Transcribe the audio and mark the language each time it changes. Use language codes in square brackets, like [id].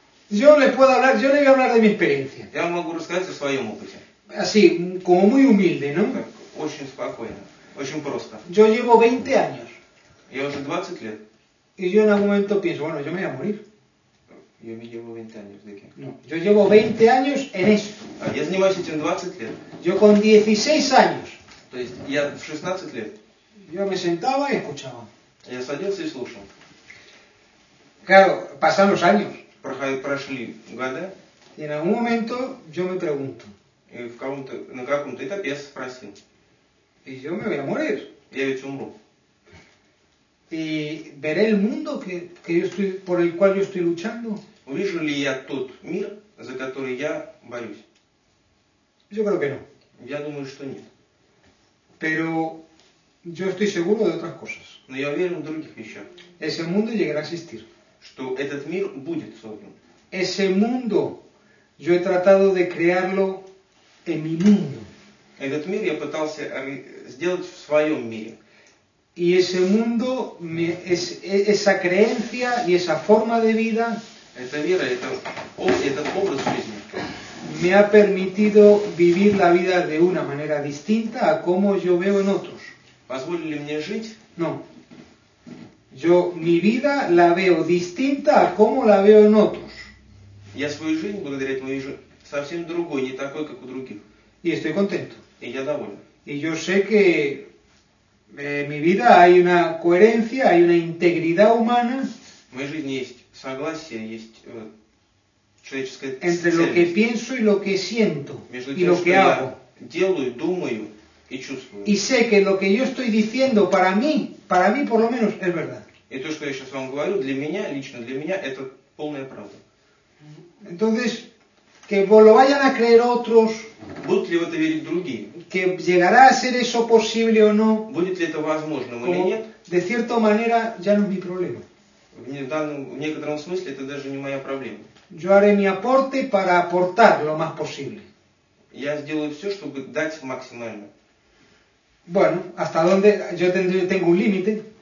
[es] Yo le voy a hablar de mi experiencia. [ru] Я могу рассказать о своем опыте. [es] Así, como muy humilde, ¿no? [ru] Так, очень спокойно, очень просто. [es] Yo llevo 20 años. [ru] Я уже 20 лет. [es] И yo en algún momento pienso, bueno, yo me voy a morir. Yo me llevo 20 años, ¿de qué? No, yo llevo 20 años en esto. [ru] А я занимаюсь этим 20 лет. [es] Yo con 16 años. [ru] То есть я в 16 лет. [es] Yo me sentaba y escuchaba. [ru] Я садился и слушал. [es] Claro, pasan los años. [ru] Прошли года. [es] Y en algún momento yo me pregunto. [ru] И в каком-то, на каком-то этапе я спросил. [es] Y yo me voy a morir. [ru] Я ведь умру. [es] Y veré el mundo que yo estoy, por el cual yo estoy luchando. [ru] Увижу ли я тот мир, за который я борюсь? [es] Yo creo que no. [ru] Я думаю, что нет. [es] Pero yo estoy seguro de otras cosas. [ru] Но я уверен в других вещах. [es] Ese mundo llegará a existir. [ru] Что этот мир будет создан. [es] Ese mundo yo he tratado de crearlo en mi mundo. [ru] Этот мир я пытался сделать в своем мире. [es] Y ese mundo, esa creencia y esa forma de vida, [ru] эта вера, этот образ жизни, [es] me ha permitido vivir la vida de una manera distinta a como yo veo en otros. [ru] Позволили мне жить? [es] No. Yo mi vida la veo distinta a como la veo en otros. [ru] Я свою жизнь благодаря этому вижу совсем другой, не такой, как у других. [es] Y estoy contento. [ru] И я доволен. [es] Y yo sé que en mi vida hay una coherencia, hay una integridad humana. [ru] В моей жизни есть согласие, есть человеческая ценность. Entre lo que pienso y lo que siento. Между тем, что я делаю, думаю и чувствую. [es] Y sé que lo que yo estoy diciendo para mí. Para mí, por lo menos, es verdad. [ru] И то, что я сейчас вам говорю, для меня, лично для меня, это полная правда. [es] Entonces, que lo vayan a creer otros, [ru] будут ли в это верить другие, [es] que llegará a ser eso posible o no, [ru] будет ли это возможным или нет, [es] de cierta manera, ya no es mi problema. [ru] В некотором смысле, это даже не моя проблема. [es] Yo haré mi aporte para aportar lo más posible. [ru] Я сделаю все, чтобы дать максимально. [es] Bueno, hasta dónde yo tengo un límite.